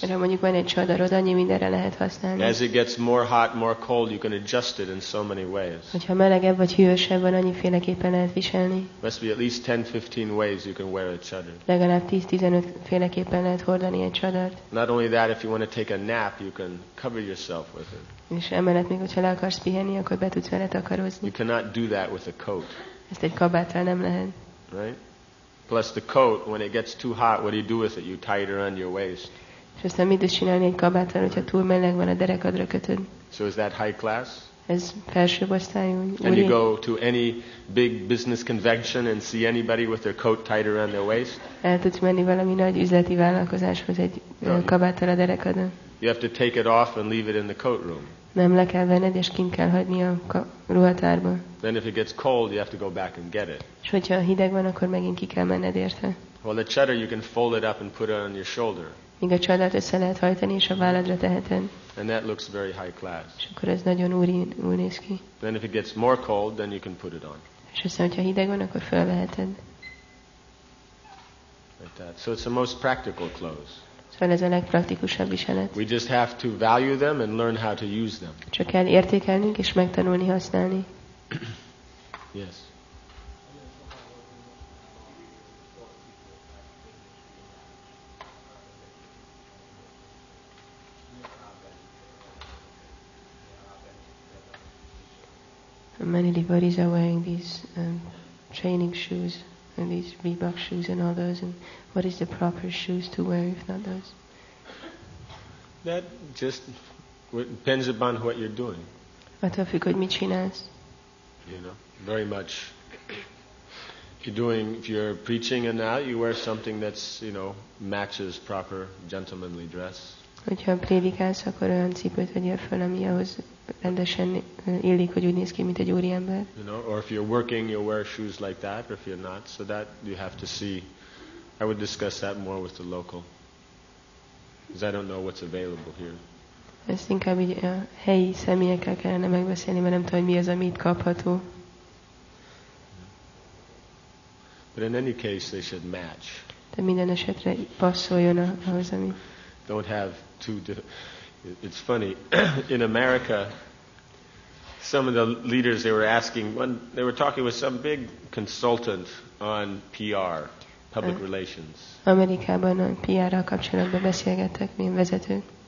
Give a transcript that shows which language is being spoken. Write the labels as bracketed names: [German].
[Hungarian] Mert mondjuk van egy csadarod, annyi mindenre lehet használni. [English] As it gets more hot, more cold, you can adjust it in so many ways. [Hungarian] Hogyha melegebb vagy hűvösebb van, annyiféleképpen lehet viselni. [English] Must be at least 10-15 ways you can wear a chador. [Hungarian] Legalább 10-15 féleképpen lehet hordani egy csadart. [English] Not only that, if you want to take a nap, you can cover yourself with it. [Hungarian] És emellett még, hogyha le akarsz pihenni, akkor be tudsz vele takarozni. [English] You cannot do that with a coat. [Hungarian] Ezt egy kabáttal nem lehet. [English] Right? Plus the coat, when it gets too hot, what do you do with it? You tie it around your waist. [Hungarian] És aztán mit is csinálni egy kabáttal, hogyha túl meleg van, a derekadra kötöd. [English] So is that high class? [Hungarian] Ez felsőbb osztályú. [English] And you go to any big business convention and see anybody with their coat tied around their waist? [Hungarian] El tudsz menni valami nagy üzleti vállalkozáshoz egy kabáttal a derekadon. [English] You have to take it off and leave it in the coat room. [Hungarian] Nem, le kell venned, és kint kell hagyni a ruhatárba. [English] Then if it gets cold, you have to go back and get it. [Hungarian] És hogyha hideg van, akkor megint ki kell menned érte. [English] Well, the chador, you can fold it up and put it on your shoulder. [Hungarian] Míg a csadart össze lehet hajtani, és a válladra teheted. [English] And that looks very high class. [Hungarian] És akkor ez nagyon úr néz ki. [English] Then if it gets more cold, then you can put it on. [Hungarian] És aztán, hogyha hideg van, akkor felveheted. [English] Like that. So it's the most practical clothes. [Hungarian] Szóval ez a legpraktikusabb viselet. [English] We just have to value them and learn how to use them. [Hungarian] Csak kell értékelnünk és megtanulni használni. [English] Yes. Many devotees are wearing these training shoes and these Reebok shoes and all those. And what is the proper shoes to wear if not those? That just depends upon what you're doing. [Hungarian] Attól függ, hogy mit csinálsz. [English] You know, very much. If you're preaching and now you wear something that's, you know, matches proper gentlemanly dress. [Hungarian] Hogyha prédikálsz, akkor olyan cipőt vegyél fel, ami ahhoz rendesen illik, hogy úgy néz ki, mint egy úriember. [English] You know, or if you're working, you'll wear shoes like that, or if you're not, so that you have to see. I would discuss that more with the local. Because I don't know what's available here. [Hungarian] Ezt inkább így a helyi személyekkel kellene megbeszélni, mert nem tudom, hogy mi az, ami itt kapható. [English] But in any case, they should match. [Hungarian] De minden esetre passzoljon ahhoz, ami. [English] Don't have two. It's funny. In America, some of the leaders they were asking when they were talking with some big consultant on PR. Public relations. [Hungarian] Amerikában a PR-ral kapcsolatban beszélgettek, mi vezetők.